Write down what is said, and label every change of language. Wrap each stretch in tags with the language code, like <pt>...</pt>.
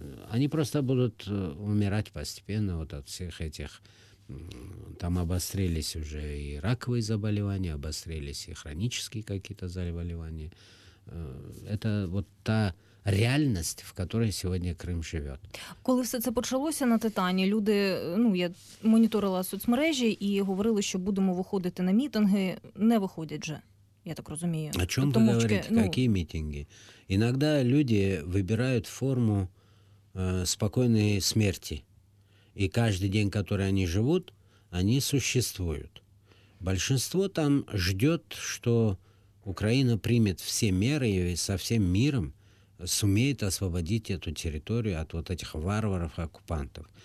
<ru>Они просто будут умирать постепенно вот от всех этих... Там обострились уже и раковые заболевания, обострились и хронические какие-то заболевания. Это вот та реальность, в которой сегодня Крым живет.</ru> <uk>Коли все це почалося на Титані, люди, ну, я моніторила соцмережі і говорили, що будемо виходити на мітинги, не виходять же, я так розумію.</uk> <ru>О чем вы говорите? Какие митинги? Иногда люди выбирают форму спокойной смерти. И каждый день, который они живут, они существуют. Большинство там ждет, что Украина примет все меры и со всем миром сумеет освободить эту территорию от вот этих варваров-оккупантов.</ru>